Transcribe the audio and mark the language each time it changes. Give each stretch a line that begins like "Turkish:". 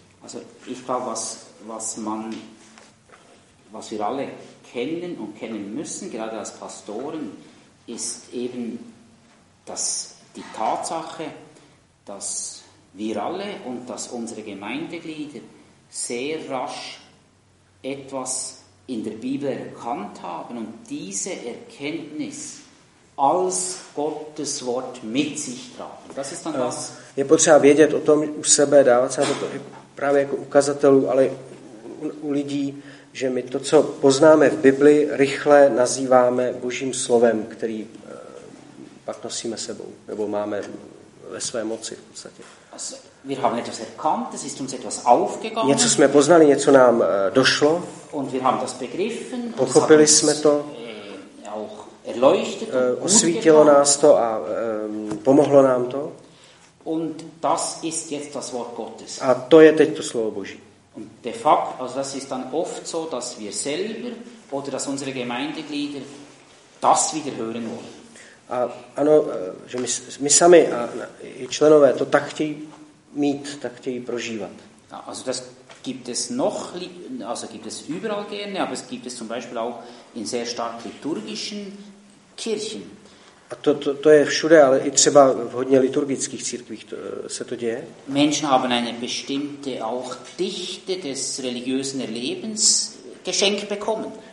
German: Also ich glaube, was wir alle kennen und kennen müssen, gerade als Pastoren, ist eben dass die Tatsache, dass wir alle und dass unsere Gemeindeglieder sehr rasch etwas in der Bibel erkannt haben und diese Erkenntnis als Gottes Wort mit sich tragen. Das ist dann das.
Czech: Je potřeba vědět o tom u sebe, dávat se to právě jako ukazatelů, ale u lidí, že my to, co poznáme v Biblii, rychle nazýváme Božím slovem, který pak nosíme sebou, nebo máme ve své moci v podstatě.
German: Wir haben etwas erkannt, es ist uns etwas aufgegangen.
Czech: Něco jsme poznali, něco nám došlo.
German: Und wir haben das begriffen.
Czech: Pochopili jsme to.
German: Auch erleuchtet.
Czech: Osvítilo nás to a pomohlo nám to.
German: Und das ist jetzt das Wort Gottes.
Czech: A to je teď to slovo Boží.
German: Und de facto, also das ist dann oft so, dass wir selber oder dass unsere Gemeindeglieder das wieder hören wollen.
Czech: A ano, že my sami a i členové to tak chtějí mít, tak chtějí prožívat.
German: Also das gibt es noch, also gibt es überall gerne, aber es gibt es zum Beispiel auch in sehr stark liturgischen Kirchen.
Czech: A to je všude, ale i třeba v hodně liturgických církvích se to děje.
German: Menschen haben eine bestimmte auch Dichte des religiösen Erlebens geschenkt bekommen.